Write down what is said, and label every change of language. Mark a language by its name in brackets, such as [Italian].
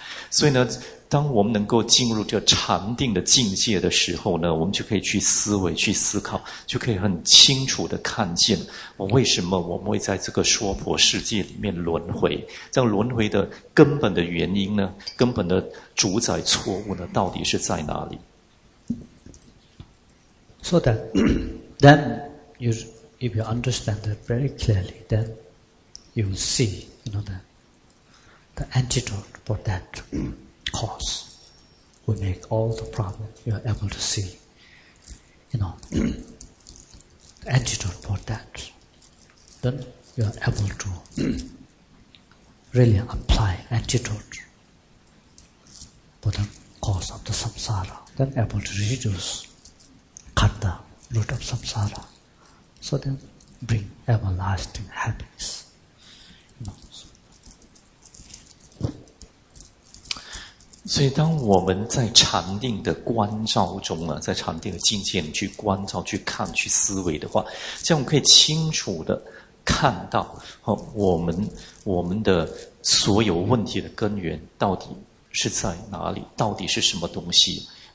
[Chinese] 所以呢当我们能够进入这禅定的境界的时候呢，我们就可以去思维去思考，就可以很清楚的看见为什么我们会在这个娑婆世界里面轮回，这样轮回的根本的原因呢，根本的主宰错误呢到底是在哪里。 [English] So that then you, if you understand that very clearly, then you will see, you know, the antidote for thatcause will make all the problems you are able to see. You know, the antidote for that, then you are able to really apply antidote for the cause of the samsara, then able to reduce, cut the root of samsara, so then bring everlasting happiness. [Chinese] 所以当我们在禅定的观照中在禅定的境界里去观照去看去思维的话，这样我们可以清楚的看到我们的所有问题的根源到底是在哪里，到底是什么东西。